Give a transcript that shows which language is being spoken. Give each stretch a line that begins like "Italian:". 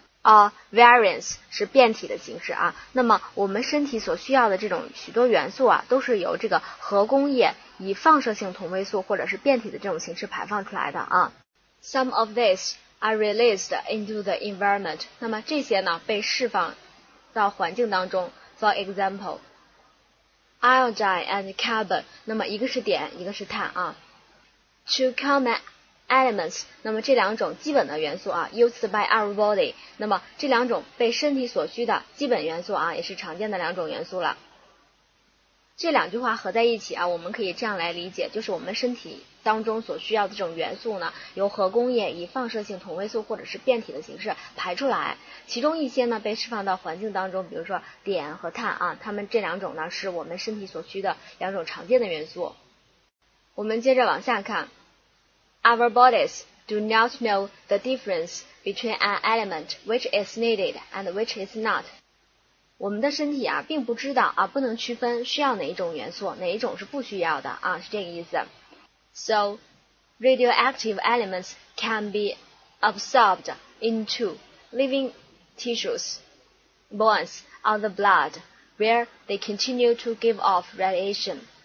Chinese: Variants 是变体的形式啊，那么我们身体所需要的这种许多元素啊，都是由这个核工业以放射性同位素或者是变体的这种形式排放出来的啊。
English: Some of these are released into the environment.
Chinese: 那么这些呢被释放到环境当中。
English: For example, iodine and carbon.
Chinese: 那么一个是碘，一个是碳啊。
English: To come at elements,
Chinese: 那么这两种基本的元素啊
English: used by our body,
Chinese: 那么这两种被身体所需的基本元素啊也是常见的两种元素了。这两句话合在一起啊，我们可以这样来理解，就是我们身体当中所需要的这种元素呢，由核工业以放射性同位素或者是变体的形式排出来，其中一些呢被释放到环境当中，比如说碘和碳啊，它们这两种呢是我们身体所需的两种常见的元素。我们接着往下看。
English: Our bodies do not know the difference between an element which is needed and which is not.
Chinese: 我们的身体啊并不知道啊，不能区分需要哪一种元素，哪一种是不需要的啊，是这个意思。
English: So, radioactive elements can be absorbed into living tissues, bones, or the blood, where they continue to give off radiation.